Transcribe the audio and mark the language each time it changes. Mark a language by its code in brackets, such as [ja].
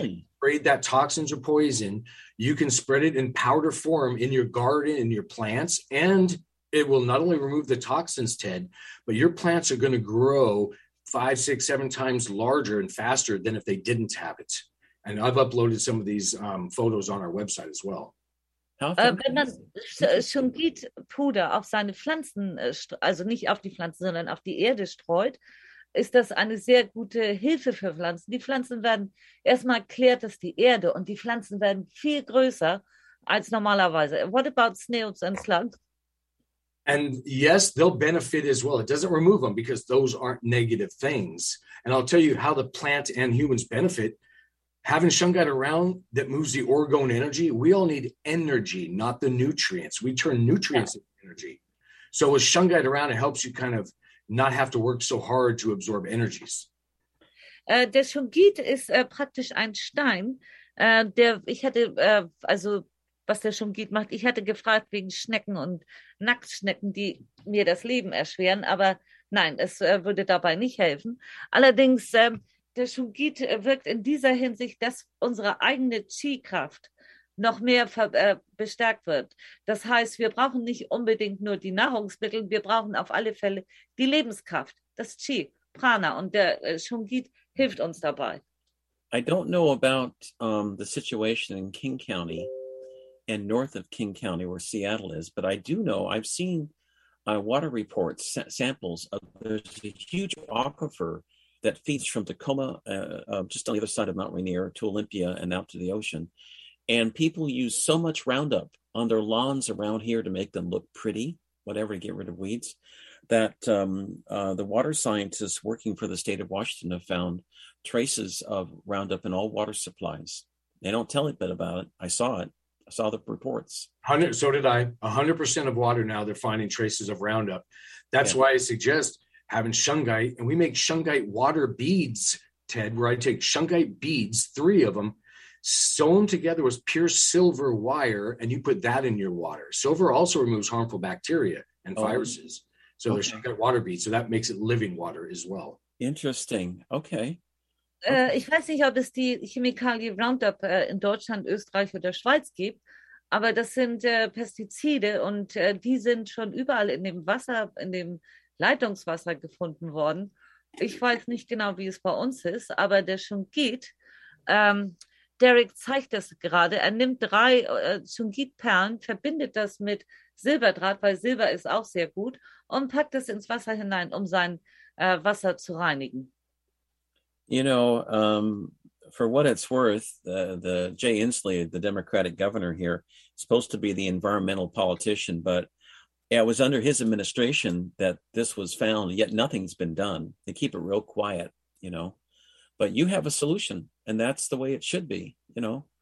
[en] If you spray that toxins or poison, you can spread it in powder form in your garden, in your plants, and it will not only remove the toxins, Ted, but your plants are going to grow 5, 6, 7 times larger and faster than if they didn't have it. And I've uploaded some of these photos on our website as well. [de] Wenn man Shungite-Puder auf seine Pflanzen, also nicht auf die Pflanzen, sondern auf die Erde streut, ist das eine sehr gute Hilfe für Pflanzen. Die Pflanzen werden, erstmal klärt das die Erde und die Pflanzen werden viel größer als normalerweise. [en] What about snails and slugs? And yes, they'll benefit as well. It doesn't remove them because those aren't negative things. And I'll tell you how the plant and humans benefit. Having Shungite around that moves the orgone energy, we all need energy, not the nutrients. We turn nutrients into energy. So with Shungite around, it helps you kind of not have to work so hard to absorb energies. [de] Der Shungite ist praktisch ein Stein. Was der Shungite macht. Ich hatte gefragt wegen Schnecken und Nacktschnecken, die mir das Leben erschweren, aber nein, es würde dabei nicht helfen. Allerdings, der Shungite wirkt in dieser Hinsicht, dass unsere eigene Qi-Kraft noch mehr bestärkt wird. Das heißt, wir brauchen nicht unbedingt nur die Nahrungsmittel, wir brauchen auf alle Fälle die Lebenskraft, das Qi, Prana, und der Shungite hilft uns dabei. [en] I don't know about the situation in King County, and north of King County, where Seattle is. But I do know, I've seen water reports, samples of, there's a huge aquifer that feeds from Tacoma, just on the other side of Mount Rainier, to Olympia and out to the ocean. And people use so much Roundup on their lawns around here to make them look pretty, whatever, get rid of weeds, that the water scientists working for the state of Washington have found traces of Roundup in all water supplies. They don't tell a bit about it. I saw it. I saw the reports. So did I. 100% of water now, they're finding traces of Roundup. That's why I suggest having Shungite. And we make Shungite water beads, Ted, where I take Shungite beads, 3 of them, sew them together with pure silver wire, and you put that in your water. Silver also removes harmful bacteria and viruses. So there's Shungite water beads. So that makes it living water as well. Interesting. Okay. [de] Ich weiß nicht, ob es die Chemikalie Roundup in Deutschland, Österreich oder Schweiz gibt, aber das sind Pestizide und die sind schon überall in dem Wasser, in dem Leitungswasser gefunden worden. Ich weiß nicht genau, wie es bei uns ist, aber der Shungite Derek zeigt das gerade. Er nimmt drei Shungite-Perlen, verbindet das mit Silberdraht, weil Silber ist auch sehr gut, und packt es ins Wasser hinein, um sein Wasser zu reinigen. [en] You know, for what it's worth, the Jay Inslee, the Democratic governor here, is supposed to be the environmental politician, but it was under his administration that this was found, yet nothing's been done. They keep it real quiet, you know. But you have a solution, and that's the way it should be, you know.